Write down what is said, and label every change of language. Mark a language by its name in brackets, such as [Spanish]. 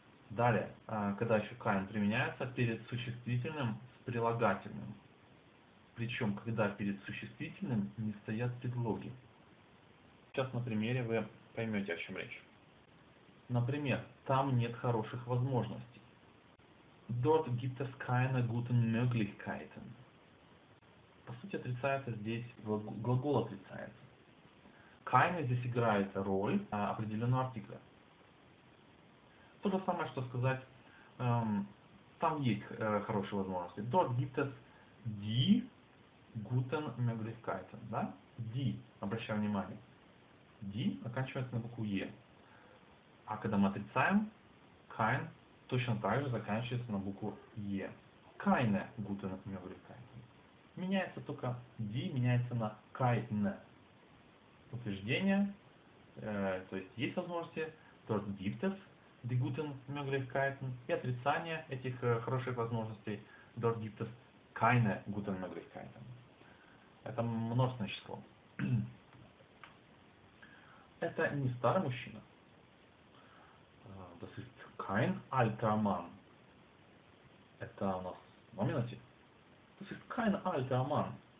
[Russian] Далее, когда еще kein применяется, перед существительным с прилагательным. Причем, когда перед существительным не стоят предлоги. Сейчас на примере вы поймете, о чем речь. Например, там нет хороших возможностей. [German] Dort gibt es keine guten Möglichkeiten. [Russian] По сути, отрицается здесь, глагол отрицается. Keine здесь играет роль определенного артикля. То же самое, что сказать, там есть хорошие возможности. [German] Dort gibt es die guten Möglichkeiten. [Russian] Да? Die, обращаю внимание. D оканчивается на букву E. А когда мы отрицаем, kein точно так же заканчивается на букву E. [German] Keine guten Möglichkeiten. [Russian] Меняется только D, меняется на keine. Утверждение, то есть есть возможности, [German] dort gibt es die guten Möglichkeiten. [Russian] И отрицание этих хороших возможностей, [German] dort gibt es keine guten Möglichkeiten. [Russian] Это множественное число. Это не старый мужчина. [German] Das ist kein alter Mann. [Russian] Это у нас номинатив. [German] Das ist kein alter Mann.